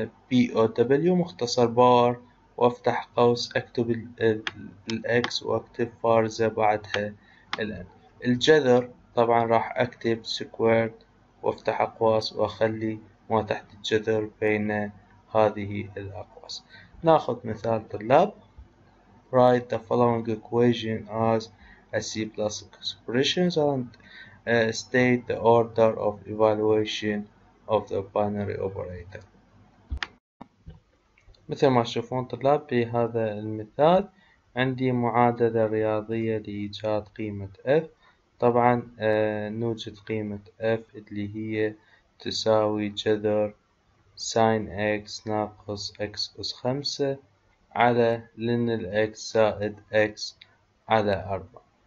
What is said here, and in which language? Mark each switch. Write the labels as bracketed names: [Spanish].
[Arabic] بي أو دبليو مختصر بار، وأفتح قوس أكتب الإكس وأكتب فارزة بعدها الإن. الجذر طبعا راح أكتب سكوير وأفتح أقواس وأخلي ما تحت الجذر بين هذه الأقواس. ناخذ مثال طلاب. [English] Write the following equation as a C++ expression and state the order of evaluation of the binary operator. [Arabic] مثل ما تشوفون طلاب في هذا المثال عندي معادلة رياضية لإيجاد قيمة F. طبعا نوجد قيمة F اللي هي تساوي جذر sin x ناقص x أس 5 على ln x زائد x على 4.